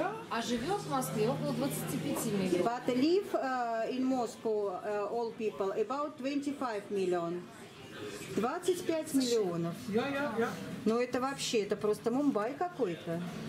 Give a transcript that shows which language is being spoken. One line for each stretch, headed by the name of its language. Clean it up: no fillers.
Russian: А живет в Москве около 25 миллионов.
English: But live in Moscow all people about 25 million.
Russian: 25 миллионов. Ну это вообще, это просто Мумбай какой-то.